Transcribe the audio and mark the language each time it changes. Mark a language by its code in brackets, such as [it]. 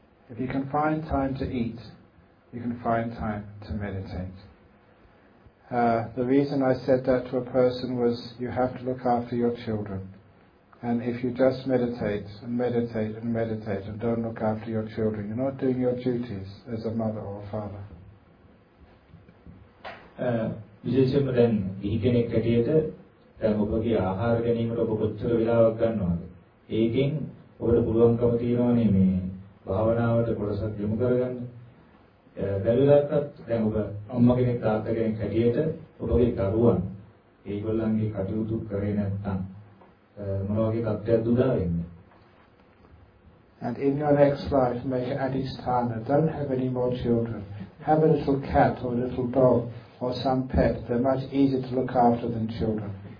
[en] If you can find time to eat, you can find time to meditate. The reason I said that to a person was you have to look after your children. And if you just meditate and meditate and meditate and don't look after your children, you're not doing your duties as a mother or a father. [si] විශේෂයෙන්ම දැන් ගිහි කෙනෙක් හැටියට දැන් ඔබගේ ආහාර ගැනීමට ඔබ කොච්චර වෙලාවක් ගන්නවද? ඒකෙන් ඔබට පුළුවන්කම තියෙනවනේ මේ භාවනාවට කොටසක් යොමු කරගන්න. බැලුවත් දැන් ඔබ අම්මා කෙනෙක් තාත්තා කෙනෙක් හැටියට ඔබගේ දරුවන් ඒගොල්ලන්ගේ කටයුතු කරේ නැත්නම් මොන වගේ තත්ත්වයක් දුදා වෙන්නේ? [en] And in your next life, make Adisthana, don't have any more children. Have a little cat or a little dog or some pet. They're much easier to look after than children.